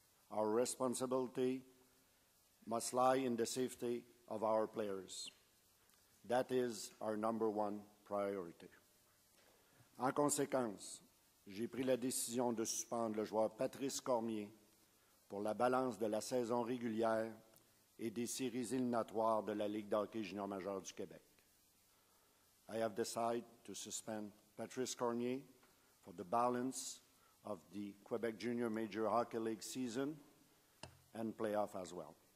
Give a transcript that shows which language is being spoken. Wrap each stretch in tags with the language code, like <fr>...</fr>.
<en>Our responsibility must lie in the safety of our players. That is our number one priority.</en> <fr>En conséquence, j'ai pris la décision de suspendre le joueur Patrice Cormier pour la balance de la saison régulière et des séries éliminatoires de la Ligue d'hockey junior majeur du Québec.</fr> <en>I have decided to suspend Patrice Cormier for the balance of the Quebec Junior Major Hockey League season and playoff as well.</en>